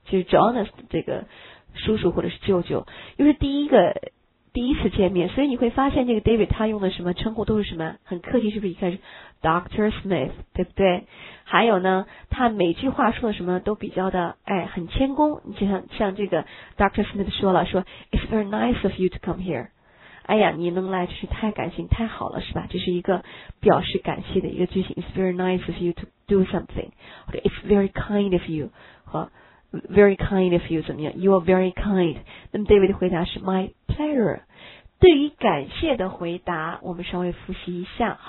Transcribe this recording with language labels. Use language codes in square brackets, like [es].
[zh] 就是 Jonas 的这个叔叔或者是舅舅，又是第一次见面，所以你会发现这个 David 他用的什么称呼都是什么很客气，是不是一开始 Dr. Smith 对不对？还有呢，他每句话说的什么都比较的很谦恭，你就像这个 Dr. Smith 说了，说 [en] It's very nice of you to come here。 [zh] 哎呀，你能来真是太感谢，太好了，是吧？这是一个表示感谢的一个句型。 [en] It's very nice of you to do something，或者 It's very kind of you 和 Very kind of you [zh] 怎么样？ [en] You are very kind。 [zh] 那么 David 的回答是 [en] My pleasure。 [zh] 对于感谢的回答，我们稍微复习一下。